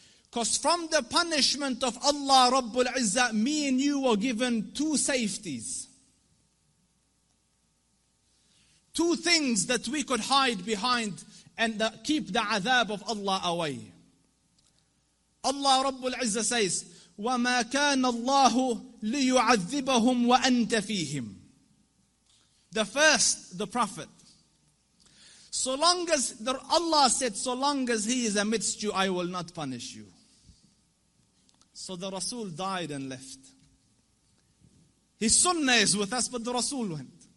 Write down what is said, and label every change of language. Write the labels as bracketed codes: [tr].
[en] Because from the punishment of Allah Rabbul Izzah, me and you were given two safeties. Two things that we could hide behind and keep the azab of Allah away. Allah Rabbul Izzah says, [ar] وَمَا كَانَ اللَّهُ لِيُعَذِّبَهُمْ وَأَنْتَ فِيهِمْ. [en] The first, the Prophet. So long as Allah said, so long as he is amidst you, I will not punish you. So the Rasul died and left. His sunnah is with us, but the Rasul went.